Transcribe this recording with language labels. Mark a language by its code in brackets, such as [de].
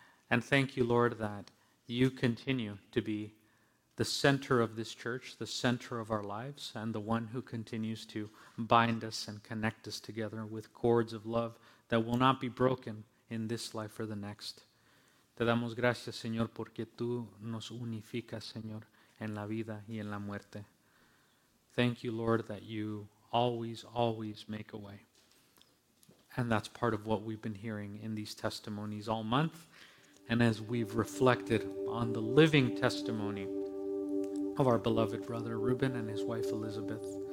[en] And thank you, Lord, that you continue to be the center of this church, the center of our lives, and the one who continues to bind us and connect us together with cords of love that will not be broken in this life or the next. [es] Te damos gracias, Señor, porque tú nos unificas, Señor, en la vida y en la muerte. [en] Thank you, Lord, that you always, always make a way. And that's part of what we've been hearing in these testimonies all month. And as we've reflected on the living testimony of our beloved brother Reuben and his wife Elizabeth.